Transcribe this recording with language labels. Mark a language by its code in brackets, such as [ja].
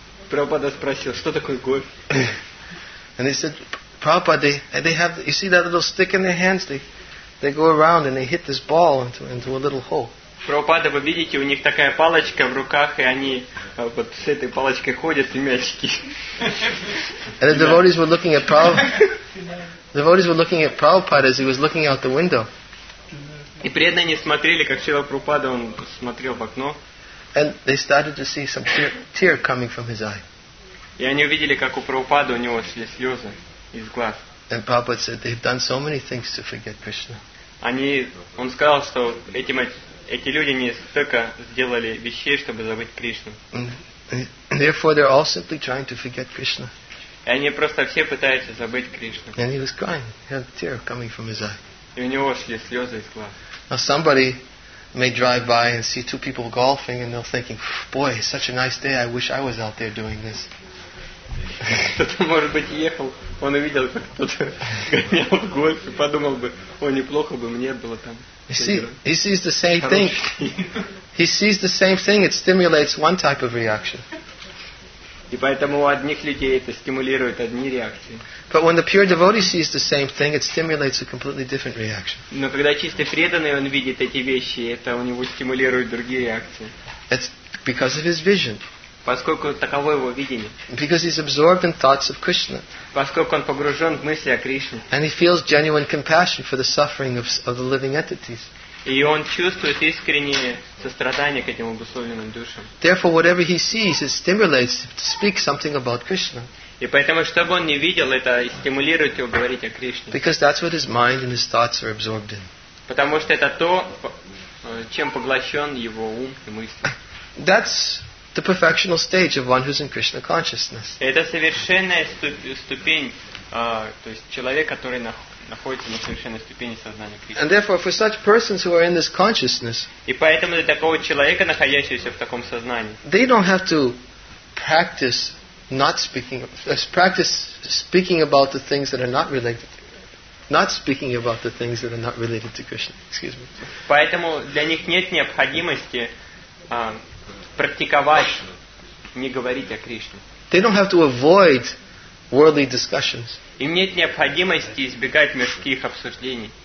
[ru] Prabhupada спросил, что такое гольф? [en] And he said, Prabhupada, they have, you see that little stick in their hands? They go around and they hit this ball into a little hole. [ru] Prabhupada, вы видите, у них такая палочка в руках, и они вот с этой палочкой ходят и мячики. [en] And the devotees were looking at Prabhupada. Devotees were looking at Prabhupada as he was looking out the window. [ru] И преданные не смотрели, как Шрила Прабхупада он смотрел в окно. [en] And they started to see some tear coming from his eye. [ru] И они увидели, как у Прабхупады у него слезы из глаз. [en] And Prabhupada said, they've done so many things to forget Krishna. [ru] он сказал, что эти люди не столько сделали вещей, чтобы забыть Кришну. [en] Therefore, they're all simply trying to forget Krishna. [ru] И они просто все пытаются забыть Кришну. [en] And he was crying, he had a tear coming from his eye. [ru] И у него шли слезы из глаз. [en] Now somebody may drive by and see two people golfing, and they're thinking, "Boy, it's such a nice day. I wish I was out there doing this." [ru] Кто-то, может быть, ехал, он увидел, как кто-то гонял в гольф, и подумал бы, о, неплохо бы мне было там. [en] He sees the same thing. He sees the same thing. It stimulates one type of reaction. [ru] И поэтому у одних людей это стимулирует одни реакции. [en] But when the pure devotee sees the same thing, it stimulates a completely different reaction. [ru] Но когда чистый преданный он видит эти вещи, это у него стимулирует другие реакции. [en] It's because of his vision. [ru] Поскольку таково его видение. [en] Because he's absorbed in thoughts of Krishna. [ru] Поскольку он погружен в мысли о Кришне. [en] And he feels genuine compassion for the suffering of the living entities. [ru] И он чувствует искреннее сострадание к этим обусловленным душам. [en] Therefore, whatever he sees, it stimulates him to speak something about Krishna. [ru] И поэтому, что бы он ни видел, это стимулирует его говорить о Кришне. [en] Because that's what his mind and his thoughts are absorbed in. [ru] Потому что это то, чем поглощен его ум и мысли. [en] That's the perfectional stage of one who's in Krishna consciousness. [ru] Это совершенная ступень, то есть человек, который находится на совершенной ступени сознания Кришны. [en] And therefore, for such persons who are in this consciousness, [ru] и поэтому для такого человека, находящегося в таком сознании, [en] they don't have to practice not speaking, practice speaking about the things that are not related to not speaking about the things that are not related to Krishna. Excuse me. [ru] Поэтому для них нет необходимости практиковать, не говорить о Кришне. [en] They don't have to avoid worldly discussions. [ru] Им нет необходимости избегать мирских обсуждений.